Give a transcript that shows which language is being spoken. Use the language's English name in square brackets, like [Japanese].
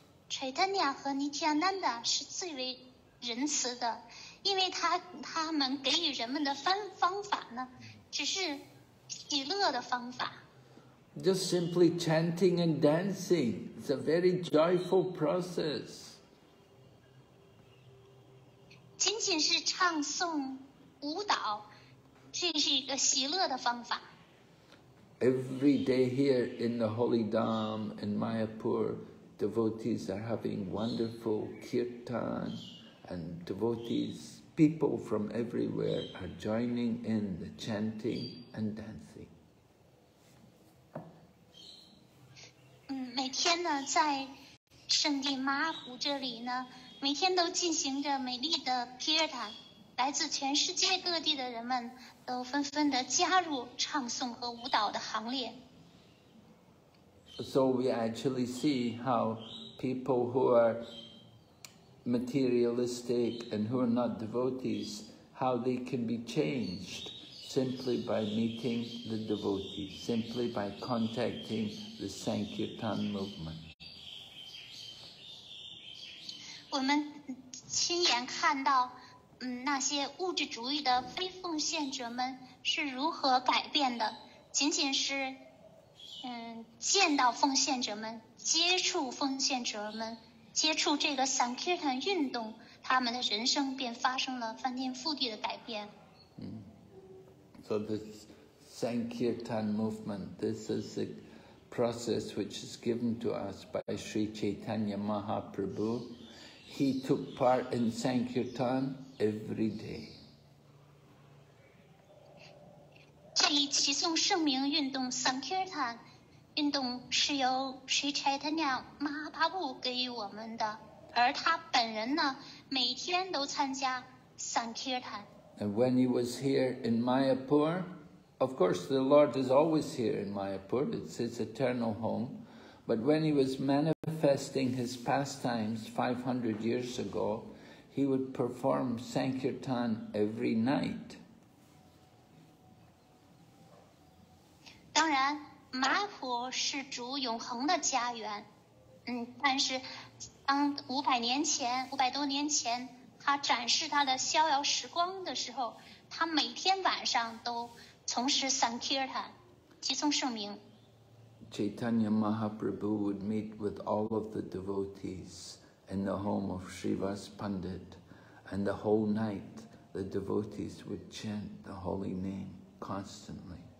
[Chinese] Chaitanya 和 Nityananda 是最为仁慈的，因为他们给予人们的方法呢，只是喜乐的方法。 [English] Just simply chanting and dancing, it's a very joyful process. [Chinese] 仅仅是唱诵舞蹈，这是一个喜乐的方法。 [English] Every day here in the Holy Dham in Mayapur, devotees are having wonderful kirtan, and devotees, people from everywhere, are joining in the chanting and dancing. [Chinese] 每天呢，在圣地马尔普这里呢，每天都进行着美丽的 kirtan， 来自全世界各地的人们都纷纷地加入唱诵和舞蹈的行列。 [English] So we actually see how people who are materialistic and who are not devotees, how they can be changed simply by meeting the devotees, simply by contacting the Sankirtan movement. [Chinese] 我们亲眼看到那些物质主义的非奉献者们是如何改变的，仅仅是见到奉献者们，接触奉献者们，接触这个 Sankirtan 运动，他们的人生便发生了翻天覆地的改变。 [English] So this Sankirtan movement, this is the process which is given to us by Sri Chaitanya Mahaprabhu. He took part in Sankirtan every day. [Chinese] 这一齐颂圣名运动 Sankirtan 运动是由 Sri Chaitanya Mahaprabhu 给予我们的，而他本人呢，每天都参加 Sankirtan。 [English] And when he was here in Mayapur, of course the Lord is always here in Mayapur, it's his eternal home, but when he was manifesting his pastimes 500 years ago, he would perform Sankirtan every night. [Chinese] 当然马普是主永恒的家园，但是当500多年前他展示他的逍遥时光的时候，他每天晚上都从事 Sankirtan 集诵圣名。 [English] Chaitanya Mahaprabhu would meet with all of the devotees in the home of Shiva's Pandit, and the whole night the devotees would chant the holy name constantly.